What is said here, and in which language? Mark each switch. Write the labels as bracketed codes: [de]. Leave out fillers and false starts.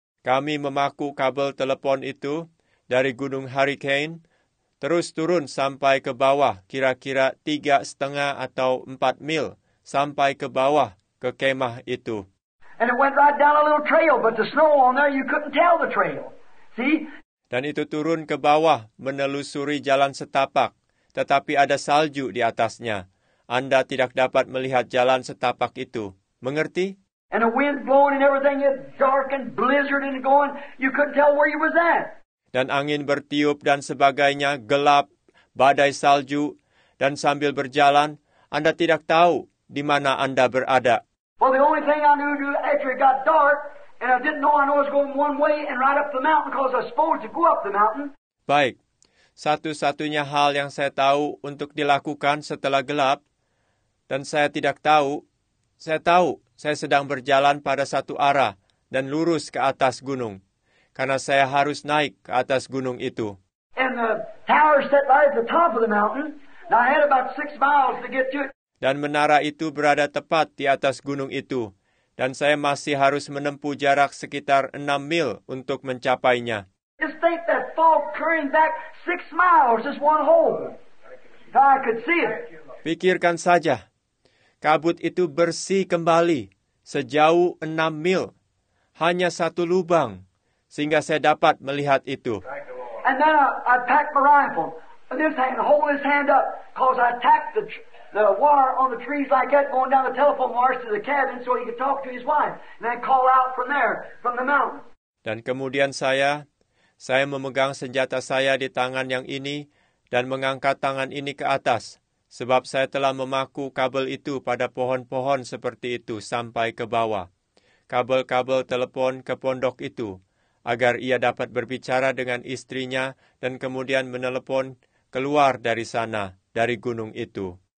[id] Kami memaku kabel telepon itu dari Gunung Hurricane terus turun sampai ke bawah, kira-kira 3.5 atau 4 mil sampai ke bawah ke kemah itu. [en] And it went right down a little trail, but the snow on there you couldn't tell the trail. See? [id] Dan itu turun ke bawah menelusuri jalan setapak. Tetapi ada salju di atasnya. Anda tidak dapat melihat jalan setapak itu. Mengerti? [en] And the wind blowing and everything, it dark and blizzard and going, you couldn't tell where you was at. [id] Dan angin bertiup dan sebagainya, gelap, badai salju. Dan sambil berjalan, Anda tidak tahu di mana Anda berada. [en] Well, the only thing I knew after it got dark, and I didn't know I was going one way and right up the mountain because I was supposed to go up the mountain. [id] Baik. Satu-satunya hal yang saya tahu untuk dilakukan setelah gelap, dan saya tidak tahu, saya tahu saya sedang berjalan pada satu arah dan lurus ke atas gunung, karena saya harus naik ke atas gunung itu. [en] And the tower set right at the top of the mountain. Now I had about 6 miles to get to it. [id] Dan menara itu berada tepat di atas gunung itu. Dan saya masih harus menempuh jarak sekitar 6 mil untuk mencapainya. [en] Just think that fog curling back 6 miles, just one hole. That I could see it. [id] Pikirkan saja, kabut itu bersih kembali sejauh 6 mil. Hanya satu lubang, sehingga saya dapat melihat itu. [en] And then I packed my rifle. And this hand, hold his hand up, because I tacked the wire on the trees like that, going down the telephone wires to the cabin so he could talk to his wife, and then call out from there, from the mountain. [id] Dan kemudian saya memegang senjata saya di tangan yang ini, dan mengangkat tangan ini ke atas, sebab saya telah memaku kabel itu pada pohon-pohon seperti itu sampai ke bawah. Kabel-kabel telepon ke pondok itu, agar ia dapat berbicara dengan istrinya dan kemudian menelepon keluar dari sana, dari gunung itu.